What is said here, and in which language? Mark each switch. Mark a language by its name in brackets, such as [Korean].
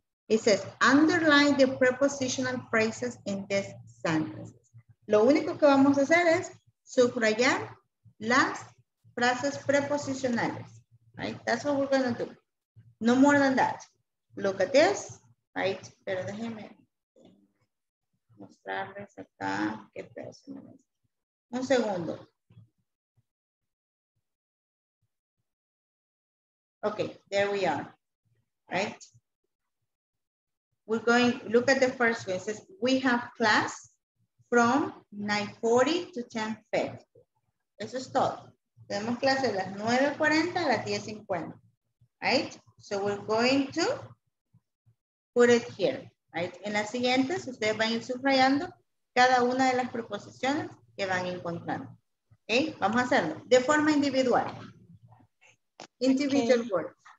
[English] It says, underline the prepositional phrases in this sentence. [Spanish] Lo único que vamos a hacer es subrayar las frases preposicionales. [English] Right? That's what we're going to do. No more than that. Look at this. Right, [Spanish] pero déjenme mostrarles acá qué peso. Un segundo. [English] Okay, there we are. Right? We're going, look at the first one. It says, we have class from 9:40 to 10:50. [Spanish] Eso es todo. Tenemos clase de las 9:40 a las 10:50. [English] Right? So we're going to put it here, right? [Spanish] En las siguientes, ustedes van a ir subrayando cada una de las preposiciones que van encontrando. [English] Okay? [Spanish] Vamos a hacerlo de forma individual. [English] Individual words.